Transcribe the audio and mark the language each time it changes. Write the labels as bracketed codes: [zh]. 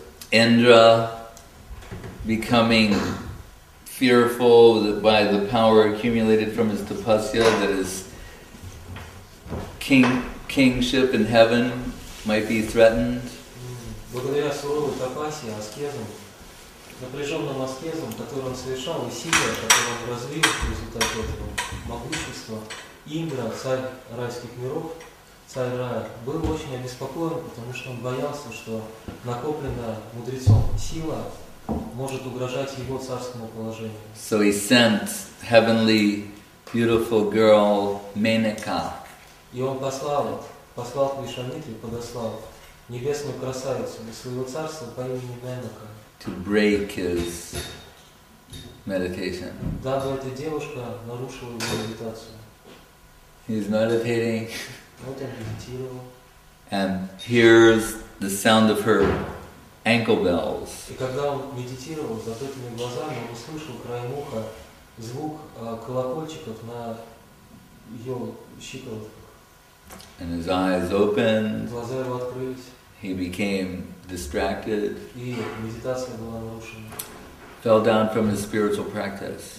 [en] Indra becoming fearful by the power accumulated from his tapasya that his kingship in heaven might be threatened. [ru] Благодаря суровой тапасе, аскезам, напряженным аскезам, которые он совершал, усилия, которые он развил в результате этого могущества, Индра, царь райских миров, царь рая, был очень обеспокоен, потому что он боялся, что накопленная мудрецом сила может угрожать его царскому положению. [en] So he sent heavenly, beautiful girl Menaka. [ru] И он послал к Вишванмитре, подослал небесную красавицу для своего царства по имени Менака. [en] To break his meditation. [ru] Даже эта девушка нарушила его медитацию. [en] He's meditating. [ru] Вот он медитировал. [en] And hears the sound of her ankle bells. [ru] И когда он медитировал, с закрытыми глазами, он услышал краем уха звук колокольчиков на ее щиколотках. [en] And his eyes opened. [ru] Глаза его открылись. [en] He became distracted. [ru] И медитация была нарушена. [en] Fell down from his spiritual practice.